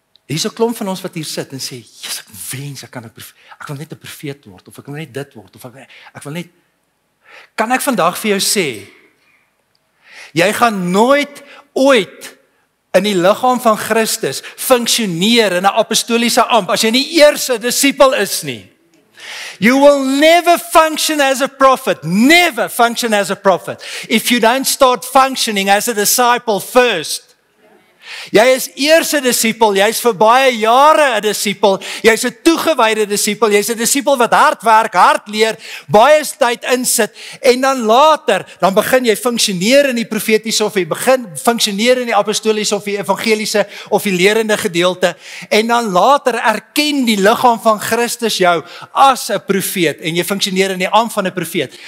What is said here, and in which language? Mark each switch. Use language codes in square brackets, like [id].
[af] Hier is 'n klomp van ons wat hier sit en sê, "Jesus, ek wens ek kan ek wil net 'n profeet word of ek wil net dit word of ek wil net kan ek vandag vir jou sê, jy gaan nooit ooit in die liggaam van Christus funksioneer in 'n apostoliese amp as jy nie eers 'n disipel is nie. [en] You will never function as a prophet. Never function as a prophet. If you don't start functioning as a disciple first. [af] Jy is eers 'n disipel, jy is vir baie jare 'n disipel, jy is 'n toegewyde disipel, jy is 'n disipel wat hard werk, hard leer, baie tyd insit, en dan later, dan begin jy funksioneer in die profetiese, of jy begin funksioneer in die apostoliese, of die evangeliese, of die lerende gedeelte, en dan later erken die liggaam van Christus jou as 'n profeet, en jy funksioneer in die am van 'n profeet.